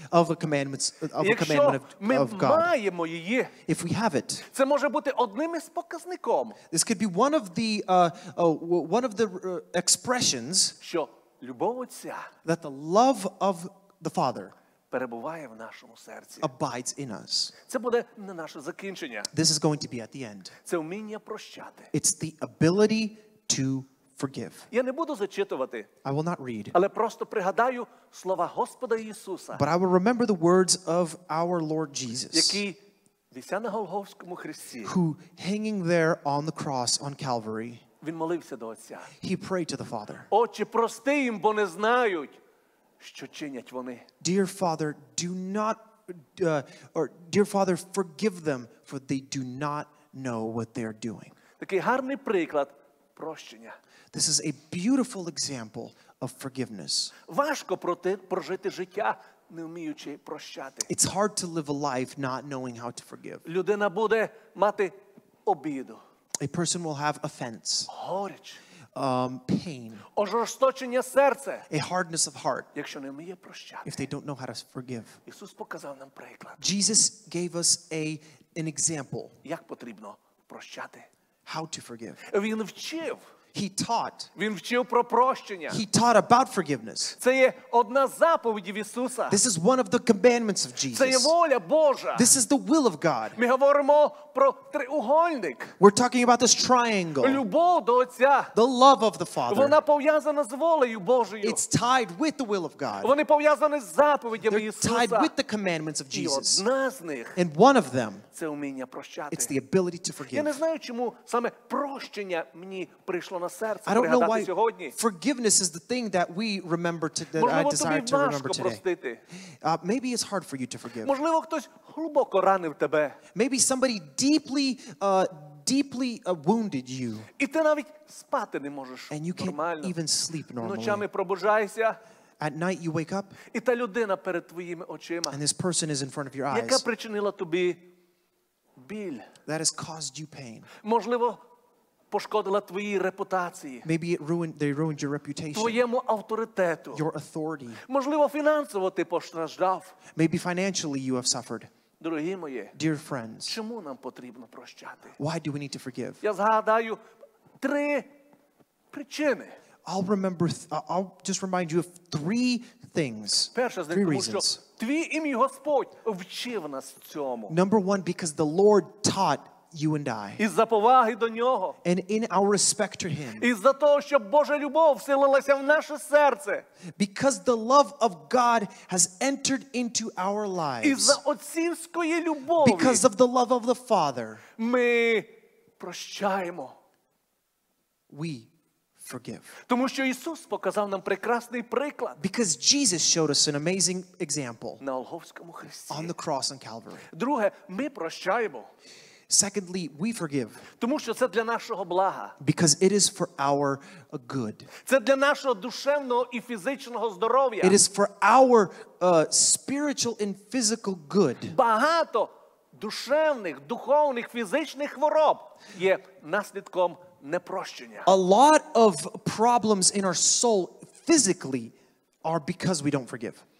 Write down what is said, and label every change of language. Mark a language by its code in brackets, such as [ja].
[en] Of the commandments of the commandment of God. [uk] Якщо ми маємо її. [en] If we have it. [uk] Це може бути одним із показником. [en] This could be one of the expressions. [uk] Що любов Отця. [en] That the love of the Father. [uk] Перебуває в нашому серці. [en] Abides in us. [uk] Це буде не наше закінчення. [en] This is going to be at the end. [uk] Це вміння прощати. [en] It's the ability to forgive. [uk] Я не буду зачитувати. [en] I will not read. [uk] Але просто пригадаю слова Господа Ісуса. [en] But I will remember the words of our Lord Jesus. [uk] Який вися на Голгофському хресті. [en] Who hanging there on the cross on Calvary. [uk] Він молився до Отця. [en] He prayed to the Father. [uk] Отче, прости їм, бо не знають. Що чинять вони? [en] Dear Father, do not or dear Father, forgive them for they do not know what they are doing. [uk] Такий гарний приклад прощення. [en] This is a beautiful example of forgiveness. [uk] Важко прожити життя, не вміючи прощати. [en] It's hard to live a life not knowing how to forgive. [uk] Людина буде мати обіду. [en] A person will have offense. [uk] Горіч. [en] Pain. [uk] Ожорсточення серце. [en] A hardness of heart. [uk] Якщо не вміє прощати. [en] If they don't know how to forgive. [uk] Ісус показав нам приклад. [en] Jesus gave us an example. [uk] Як потрібно прощати. [en] How to forgive. [uk] Він вчив. [en] He taught. [uk] Він вчив про прощення. [en] He taught about forgiveness. [uk] Це є одна з заповідей Ісуса. [en] This is one of the commandments of Jesus. [uk] Це є воля Божа. [en] This is the will of God. [uk] Ми говоримо про триугольник. [en] We're talking about this triangle. [uk] Любов до Отця. [en] The love of the Father. [uk] Вона пов'язана з волею Божою. [en] It's tied with the will of God. [uk] Вони пов'язані з заповідями [en] Ісуса. They're tied with the commandments of Jesus. [uk] І одна з них. [en] And one of them. [uk] Це вміння прощати. [en] It's the ability to forgive. [uk] Я не знаю, чому саме прощення мені прийшло на серце. [en] I don't know why forgiveness is the thing that we remember to, that I desire to remember today. Maybe it's hard for you to forgive. [uk] Можливо, хтось глибоко ранив тебе. [en] Maybe somebody deeply wounded you. [uk] І ти навіть спати не можеш. [en] And you can't [uk] нормально. [en] Even sleep normally. [uk] Ночами пробужаєшся. [en] At night you wake up. [uk] І та людина перед твоїми очима. [en] And this person is in front of your eyes. [uk] Яка причинила тобі біль. [en] That has caused you pain. [uk] Можливо, пошкодила твоїй репутації. [en] Maybe they ruined your reputation. [uk] Твоєму авторитету. [en] Your authority. [uk] Можливо, фінансово ти постраждав. [en] Maybe financially you have suffered. [uk] Дорогі мої, [en] dear friends, [uk] чому нам потрібно прощати? [en] Why do we need to forgive? [uk] Я згадаю три причини. [en] I'll just remind you of three things. [uk] Перша з них, [en] three reasons. [uk] Твій ім'я Господь вчив нас цьому. [en] Number one, because the Lord taught you and I. [uk] Із-за поваги до нього. [en] And in our respect to him. [uk] Із-за того, щоб Божа любов вселилася в наше серце. [en] Because the love of God has entered into our lives. [uk] Із-за отцівської любові. [en] Because of the love of the Father. [uk] Ми прощаємо. [en] We forgive. [uk] Тому що Ісус показав нам прекрасний приклад. [en] Because Jesus showed us an amazing example. [uk] На Голгофському хресті. [en] On the cross on Calvary. [uk] Друге, ми прощаємо. [en] Secondly, we forgive. [uk] Тому що це для нашого блага. [en] Because it is for our good. [uk] Це для нашого душевного і фізичного здоров'я. [en] It is for our spiritual and physical good. [uk] Багато душевних, духовних, фізичних хвороб є наслідком непрощення. [en] A lot of problems in our soul physically are because we don't forgive.